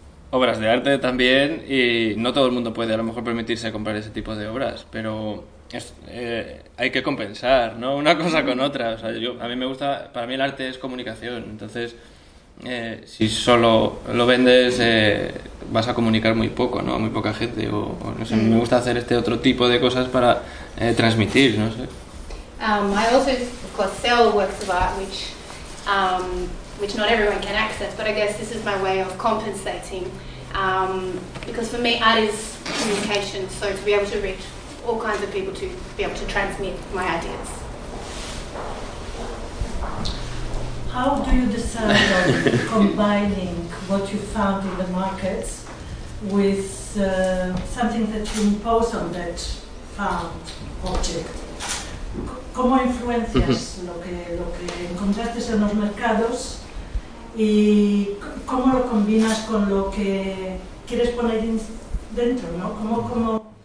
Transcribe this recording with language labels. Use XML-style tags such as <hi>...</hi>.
<es>obras de arte también, y no todo el mundo puede a lo mejor permitirse comprar ese tipo de obras, pero hay que compensar, ¿no? Una cosa con otra. O sea, a mí me gusta, para mí el arte es comunicación, entonces si solo lo vendes vas a comunicar muy poco, ¿no? Muy poca gente, o no sé, me gusta hacer este otro tipo de cosas para transmitir, no sé.</es> <en>I also, of course, sell works of art, which not everyone can access, but I guess this is my way of compensating. Because for me, art is communication, so to be able to reach all kinds of people, to be able to transmit my ideas. how do you decide on combining what you found in the markets with something that you impose on that found object?</en> <es>¿Cómo influencias lo que encontraste en los mercados y cómo lo combinas con lo que quieres poner dentro, ¿no?</es>